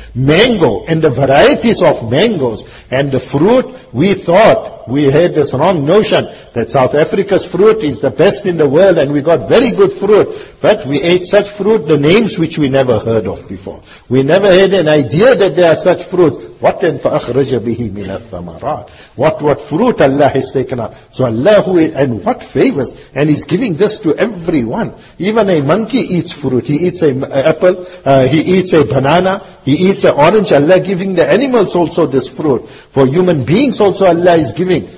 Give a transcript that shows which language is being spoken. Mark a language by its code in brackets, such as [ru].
[en] Mango and the varieties of mangoes and the fruit. We thought, we had this wrong notion that South Africa's fruit is the best in the world and we got very good fruit. But we ate such fruit, the names which we never heard of before. We never had an idea that there are such fruit. What then [ar] فَأَخْرَجَ بِهِ مِنَ الثَّمَرَاتِ. [en] What fruit Allah has taken out. So Allah, who is, and what favors, and He's giving this to everyone. Even a monkey eats fruit. He eats an apple, he eats a banana, he eats an orange. Allah giving the animals also this fruit. For human beings also Allah is giving.